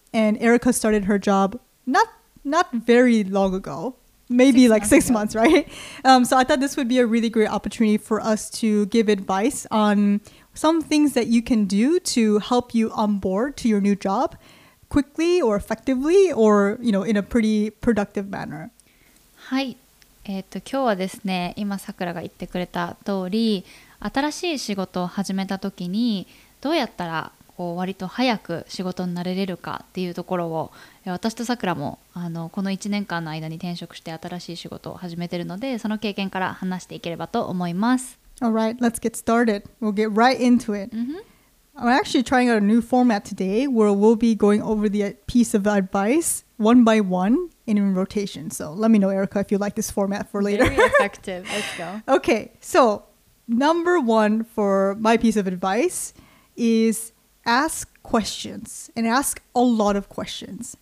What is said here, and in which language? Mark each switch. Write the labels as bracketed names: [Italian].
[English] And Erica started her job not very long ago, maybe six months, right? So I thought this would be a really great opportunity for us to give advice on some things that you can do to help you onboard to your new job quickly or effectively or, you know, in a pretty productive manner. [Japanese] はい。今日はですね、今さくらが言ってくれた通り、新しい仕事を始めた時にどうやったらこう割と早く仕事になれれるかっていうところを、私とさくらもこの1年間の間に転職して新しい仕事を始めてるので、その経験から話していければと思います。 [English] Alright, let's get started. We'll get right into it. Mm-hmm. I'm actually trying out a new format today where we'll be going over the piece of advice one by one in rotation. So let me know, Erica, if you like this format for later. Very effective. Let's go. Okay, so number one for my piece of advice is ask questions and ask a lot of questions.